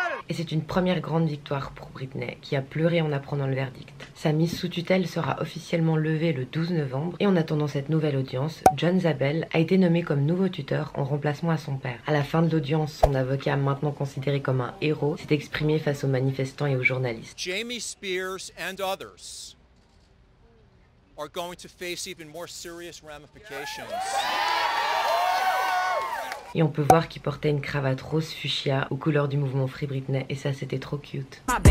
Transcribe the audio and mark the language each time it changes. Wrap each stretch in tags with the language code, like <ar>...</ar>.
<fr>Et c'est une première grande victoire pour Britney, qui a pleuré en apprenant le verdict. Sa mise sous tutelle sera officiellement levée le 12 novembre, et en attendant cette nouvelle audience, John Zabel a été nommé comme nouveau tuteur en remplacement à son père. À la fin de l'audience, son avocat, maintenant considéré comme un héros, s'est exprimé face aux manifestants et aux journalistes.</fr> <en>Jamie Spears and others are going to face even more serious ramifications.</en> <fr>Et on peut voir qu'il portait une cravate rose fuchsia aux couleurs du mouvement Free Britney, et ça c'était trop cute.</fr>